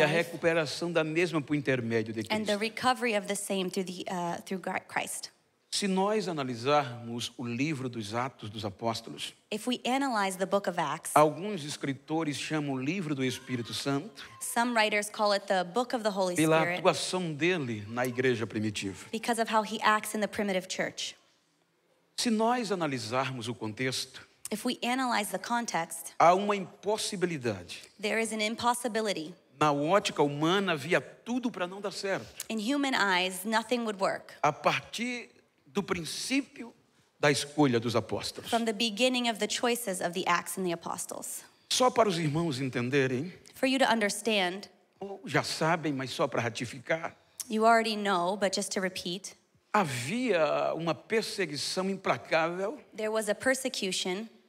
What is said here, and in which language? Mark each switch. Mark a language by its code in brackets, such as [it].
[pt] E a recuperação da mesma por intermédio de Cristo. [en] And the recovery of the same through through Christ. [pt] Se nós analisarmos o livro dos Atos dos Apóstolos, [en] if we analyze the book of Acts, [pt] alguns escritores chamam o livro do Espírito Santo, [en] some writers call it the book of the Holy Spirit, [pt] pela atuação dele na igreja primitiva, [en] because of how he acts in the primitive church. [pt] Se nós analisarmos o contexto, [en] if we analyze the context, [pt] há uma impossibilidade. [en] There is an impossibility. [pt] Na ótica humana havia tudo para não dar certo. [en] In human eyes, nothing would work. [pt] A partir do princípio da escolha dos apóstolos. [en] From the beginning of the choices of the Acts and the Apostles. [pt] Só para os irmãos entenderem. [en] For you to understand. [pt] Já sabem, mas só para ratificar. [en] You already know, but just to repeat. [pt] Havia uma perseguição implacável. [en] There was a persecution.